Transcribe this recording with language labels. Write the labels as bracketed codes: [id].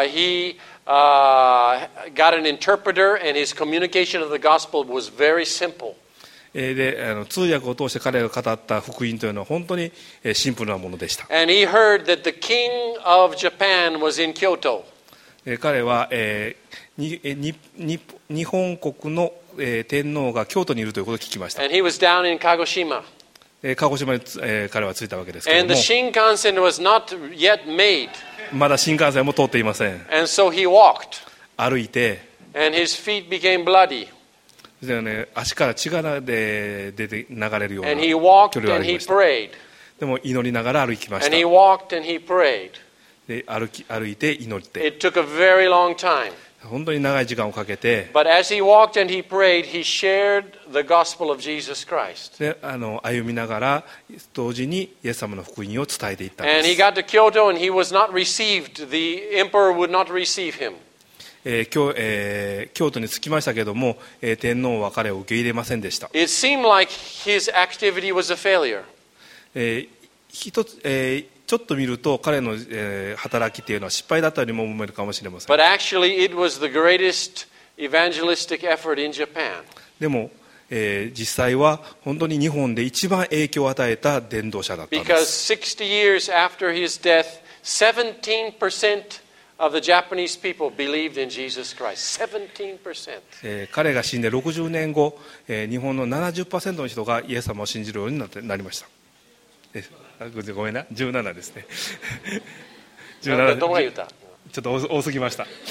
[en] He got an interpreter and his communication of the gospel was very simple. [ja] で、通訳を通して彼が語った福音というのは本当にシンプルなものでした。 [en] And he heard that the king of Japan was in Kyoto. [ja] 彼は、日本国の天皇が京都にいるということを聞きました。 [en] And he was down in Kagoshima. [ja] 鹿児島に彼は着いたわけですけども。 [en] And the Shinkansen was not yet made. [ja] まだ新幹線も通っていません。 [en] And so he walked. [ja] 歩いて。 [en] And his feet became bloody. [ja] で、ね、足から血が出て流れるような距離を歩きました。 [en] And he walked and he prayed. [ja] でも祈りながら歩きました。 [en] And he walked and he prayed. [ja] で、歩いて祈って。 [en] It took a very long time. [ja] 本当に長い時間をかけて。 [en] But as he walked and he prayed, he shared the gospel of Jesus Christ. [ja] 歩みながら同時にイエス様の福音を伝えていったんです。 [en] And he got to Kyoto and he was not received. The emperor would not receive him. [ja] 京都に着きましたけども、天皇は彼を受け入れませんでした。 [en] It seemed like his activity was a failure. [ja] ちょっと見ると彼の、働きというのは失敗だったようにも思えるかもしれません。 [en] But actually, it was the greatest evangelistic effort in Japan. [ja] でも、実際は本当に日本で一番影響を与えた伝道者だったんです。 [en] Because 60 years after his death, 17% of the Japanese people believed in Jesus Christ. 17%. [ja] 彼が死んで60年後、日本の 70% の人がイエス様を信じるようになりました。ごめんな、17ですね。 17。 どこが言った？ちょっと多すぎました。